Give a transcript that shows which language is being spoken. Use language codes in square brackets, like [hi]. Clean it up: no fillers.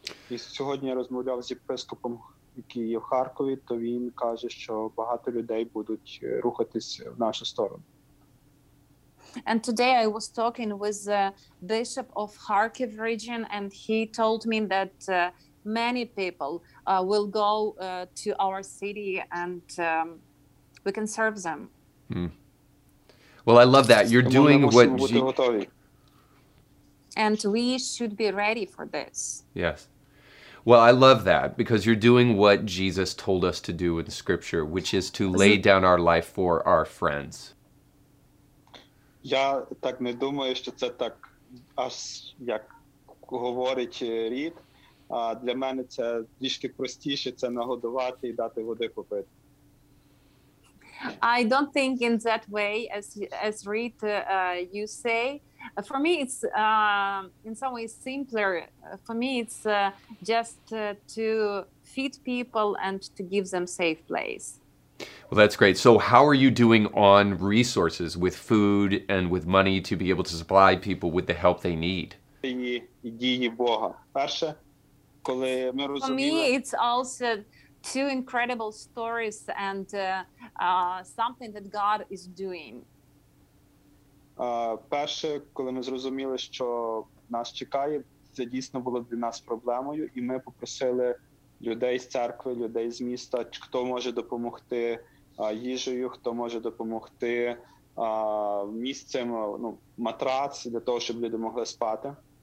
[uk] І сьогодні я розмовляв з єпископом, який є в Харкові, то він каже, що багато людей будуть рухатись в нашу сторону. [en] And today I was talking with the bishop of Kharkiv region, and he told me that many people will go to our city, and we can serve them. Well, I love that. You're doing what... And we should be ready for this. Yes. Well, I love that, because you're doing what Jesus told us to do in Scripture, which is to lay down our life for our friends. [uk] Я так не думаю, що це так, аж як говорить рід. А для мене це трішки простіше, це нагодувати і дати води попити. [en] I don't think in that way, as Reed, you say. For me, it's in some ways simpler. For me, it's just to feed people and to give them safe place. Well, that's great. So how are you doing on resources with food and with money to be able to supply people with the help they need? For me, it's also two incredible stories and something that God is doing. [uk] Перше, коли ми зрозуміли, що нас чекає, це дійсно було для нас проблемою, і ми попросили людей з церкви, людей з міста, хто може допомогти їжею, хто може допомогти місцем, ну, матрац для того, щоб люди могли спати.